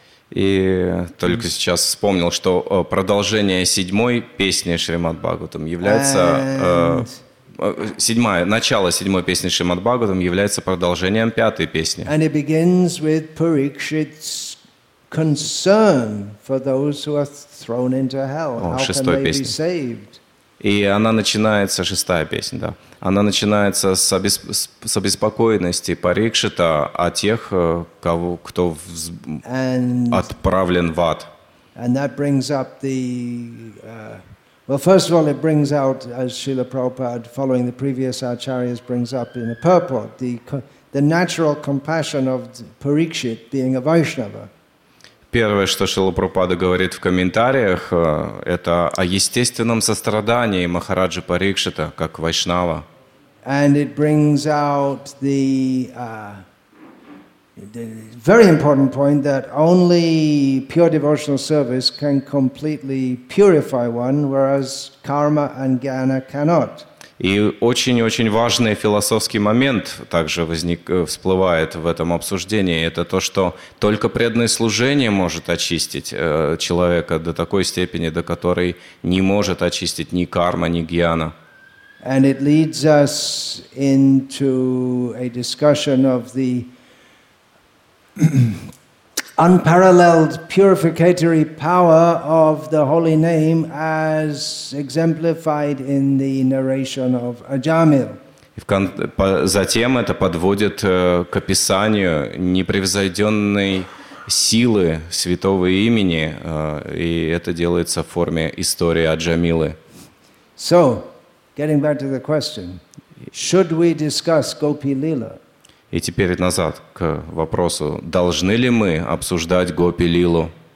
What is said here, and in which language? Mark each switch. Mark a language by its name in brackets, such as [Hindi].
[Russian] И только сейчас вспомнил, что продолжение седьмой песни Шримад Бхагаватам является начало седьмой песни Шримад Бхагаватам является продолжением пятой песни. [English] And it begins with Parikshit's concern for those who are thrown into hell. How can they be saved? [Russian] И она начинается, шестая песня, да, она начинается с обеспокоенности Парикшита о тех, кого, кто отправлен в ад. [English] And that brings up the, well, first of all, it brings out, as Srila Prabhupada, following the previous acharyas, brings up in a purport, the natural compassion of Parikshit being a Vaishnava. [Russian] Первое, что Шрила Прабхупада говорит в комментариях, это о естественном сострадании Махараджи Парикшита как Вайшнава. [English] And it brings out the, the very important point that only pure devotional service can completely purify one, whereas karma and jnana cannot. [Russian] И очень-очень важный философский момент также всплывает в этом обсуждении. Это то, что только преданное служение может очистить человека до такой степени, до которой не может очистить ни карма, ни гьяна. [English] And it leads us into a discussion of the unparalleled purificatory power of the holy name as exemplified in the narration of Ajamil. [Russian] Затем это подводит к описанию непревзойденной силы святого имени, и это делается в форме истории Аджамилы. [English] So, getting back to the question, should we discuss Gopi Lila? [Russian] И теперь назад к вопросу, должны ли мы обсуждать Гопи-лилу?